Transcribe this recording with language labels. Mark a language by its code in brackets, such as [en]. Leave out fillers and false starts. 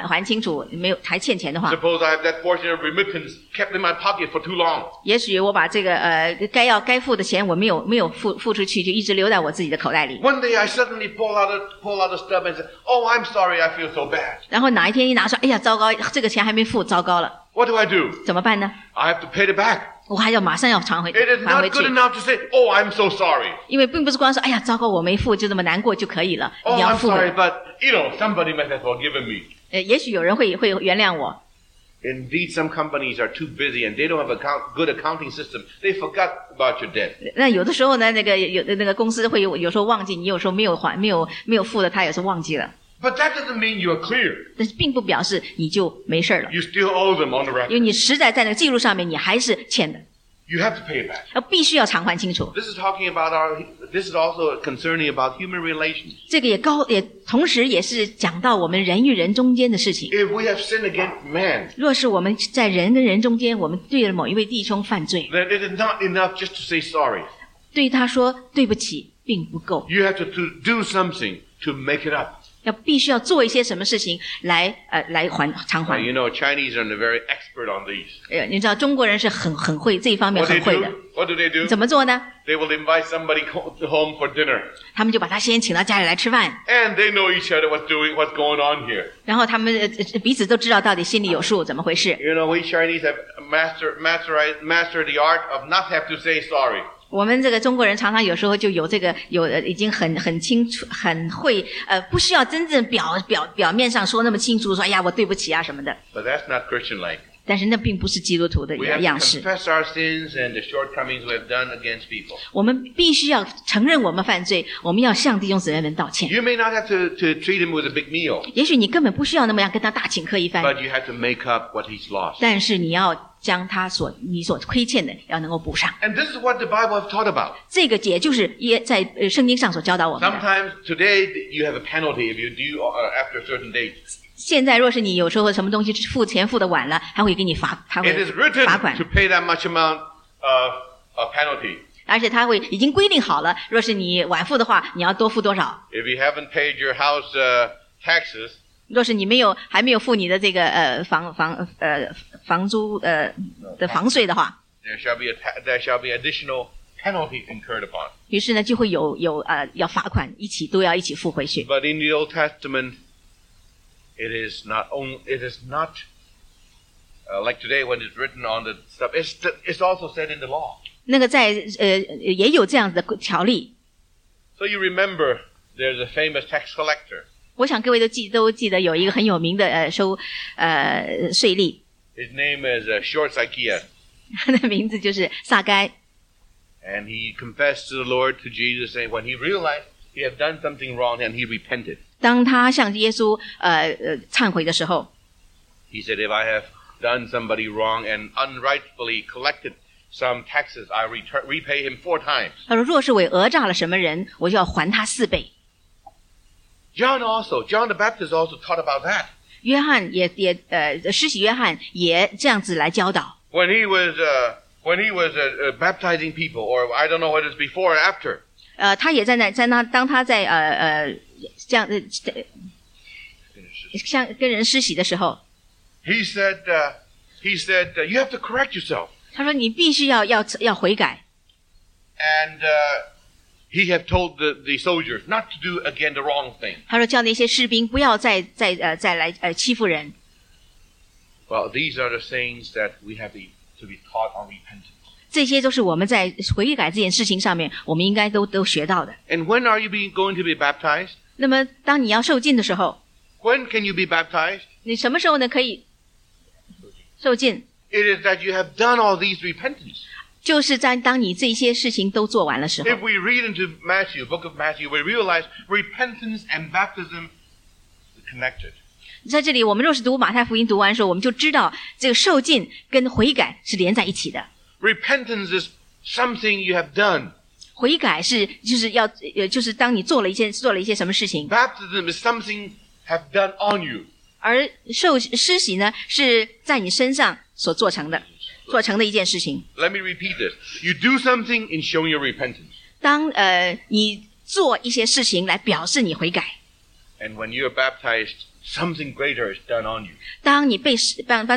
[zh] 所以若是我还没有还清楚，没有还欠钱的话。 [en] Suppose I have that portion of remittance kept in my pocket for too long. [zh] 也许我把这个该付的钱我没有付出去，就一直留在我自己的口袋里。 [en] One day I suddenly pull out a stub and say, "Oh, I'm sorry, I feel so bad." [zh] 然后哪一天一拿出，哎呀，糟糕，这个钱还没付，糟糕了。 [en] What do I do? [zh] 怎么办呢？ [en] I have to pay it back. [zh] 我还要马上要偿回。 [en] It is not good enough to say, "Oh, I'm so sorry." [zh] 因为并不是光说，哎呀，糟糕，我没付，就这么难过就可以了。 [en] Oh, I'm sorry, but you know, somebody might have forgiven me. [zh] 也许有人会原谅我。 [en] Indeed, some companies are too busy and they don't have a good accounting system. They forgot about your debt. [zh] 那有的时候呢，那个公司会有时候忘记，你有时候没有付的，他也是忘记了。 [en] But that doesn't mean you are clear. [zh] 但是并不表示你就没事了。 [en] You still owe them on the record. [zh] 因为你实在在那个记录上面，你还是欠的。 [en] You have to pay it back. [zh] 必须要偿还清楚。 [en] This is talking about our, this is also concerning about human relations. [zh] 这个也高，也同时也是讲到我们人与人中间的事情。 [en] If we have sinned against man, [zh] 若是我们在人跟人中间，我们对了某一位弟兄犯罪， [en] then it is not enough just to say sorry. [zh] 对他说对不起并不够。 [en] You have to do something to make it up. [zh] 要必须要做一些什么事情来来还偿还。 [en] You know, Chinese are very expert on these. [zh] 你知道中国人是很会这一方面很会的。 [en] What do they do? [zh] 怎么做呢？ [en] They will invite somebody home for dinner. [zh] 他们就把他先请到家里来吃饭。 [en] And they know each other what's going on here. [zh] 然后他们彼此都知道到底心里有数怎么回事。 [en] You know, we Chinese have mastered the art of not have to say sorry. [zh] 我们这个中国人常常有时候就有这个有已经很清楚很会不需要真正表面上说那么清楚说哎呀我对不起啊什么的。 [en] But that's not Christian-like. [zh] 但是那并不是基督徒的样式。 [en] We have to confess our sins and the shortcomings we have done against people. [zh] 我们必须要承认我们犯罪我们要向弟兄姊妹们道歉。 [en] You may not have to treat him with a big meal. [zh] 也许你根本不需要那么样跟他大请客一番。 [en] But you have to make up what he's lost. [zh] 但是你要将他所你所亏欠的要能够补上。 [en] And this is what the Bible has taught about. [zh] 这个也就是在圣经上所教导我们的。 [en] Sometimes today you have a penalty if you do after a certain date. [zh] 现在若是你有时候什么东西付钱付的晚了，他会给你罚，他会罚款。 [en] It is written to pay that much amount of a penalty. [zh] 而且他会已经规定好了，若是你晚付的话，你要多付多少。 [en] If you haven't paid your house taxes. [zh] 若是你没有还没有付你的这个房租的房税的话 [en] there shall be additional penalty incurred upon. [zh] 于是呢就会有要罚款一起都要一起付回去。 [en] But in the Old Testament, it is not like today when it's written on the stuff. It's also said in the law. [zh] 那个在也有这样的条例。 [en] So you remember there's a famous tax collector. [zh] 我想各位都记得有一个很有名的税吏。 [en] His name is Short Zacchaeus. [zh] 他的名字就是撒该。 [en] And he confessed to the Lord to Jesus, saying when he realized he had done something wrong and he repented. [zh] 当他向耶稣忏悔的时候 [en] ，He said, "If I have done somebody wrong and unrightfully collected some taxes, I repay him four times." [zh] 他说，若是我讹诈了什么人，我就要还他四倍。 [en] John the Baptist also taught about that. [zh] 约翰也施洗约翰也这样子来教导。 [en] When he was baptizing people, or I don't know what it's before or after. [zh] 他也在那当他在这样像跟人施洗的时候。 [en] He said, you have to correct yourself. [zh] 他说你必须要悔改。 [en] And,He have told the soldiers not to do again the wrong thing. [zh] 他说叫那些士兵不要再来欺负人。 [en] Well, these are the things that we have to be taught on repentance. [zh] 这些都是我们在悔改这件事情上面我们应该都学到的。 [en] And when are you going to be baptized? [zh] 那么当你要受浸的时候。 [en] When can you be baptized? [zh] 你什么时候呢可以受浸。 [en] It is that you have done all these repentance. [zh] 就是在当你这些事情都做完了时候。 [en] If we read into Matthew, book of Matthew, we realize repentance and baptism are connected. [zh] 在这里，我们若是读马太福音读完的时候，我们就知道这个受浸跟悔改是连在一起的。 [en] Repentance is something you have done. [zh] 悔改是就是当你做了一些什么事情。 [en] Baptism is something have done on you. [zh] 而施洗呢，是在你身上所做成的。做成的一件事情。 [en] Let me repeat this. You do something in showing your repentance. [zh] 当你做一些事情来表示你悔改。 [en] And when you are baptized, something greater is done on you.